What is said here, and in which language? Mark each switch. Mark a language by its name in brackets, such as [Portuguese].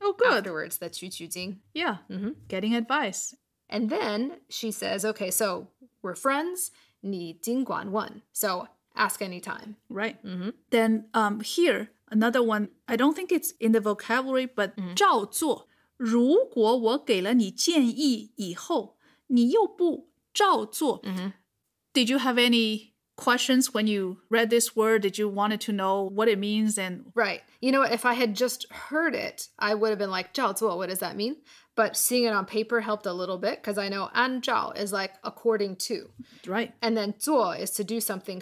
[English] Oh, good. Afterwards, that 取取经. Yeah. Mm-hmm. Getting advice. And then she says, okay, so we're friends, [Chinese] 你尽管问. [English] So ask anytime. Right. Mm-hmm. Then here, another one, I don't think it's in the vocabulary, but mm-hmm. [Chinese] 照做. 如果我给了你建议以后, 你又不照做. [English] Mm-hmm. Did you have any questions when you read this word? Did you wanted to know what it means? And right. You know, if I had just heard it, I would have been like, Zhao Zuo, what does that mean? But seeing it on paper helped a little bit because I know an zhao is like according to. Right. And then zuo is to do something.